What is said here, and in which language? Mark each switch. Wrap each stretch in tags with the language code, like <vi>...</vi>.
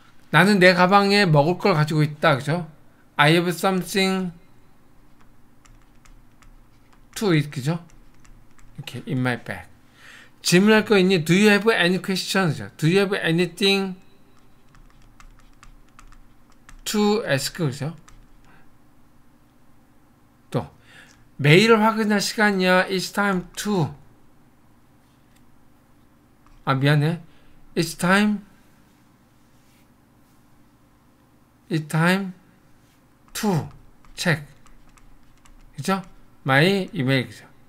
<ko>나는 내 가방에 먹을 걸 가지고 있다, 그죠?</ko> <en>I have something to eat,</en> <ko>그죠? 이렇게,</ko> <en>in my bag.</en> <ko>질문할 거 있니?</ko> <en>Do you have any questions? Do you have anything to ask?</en> <ko>그죠? 또, 매일 확인할 시간이야.</ko> <en>It's time to.</en> <ko>아, 미안해.</ko> <en>It's time to check.</en> <ko>그죠?</ko> <en>My email. 그죠?</en>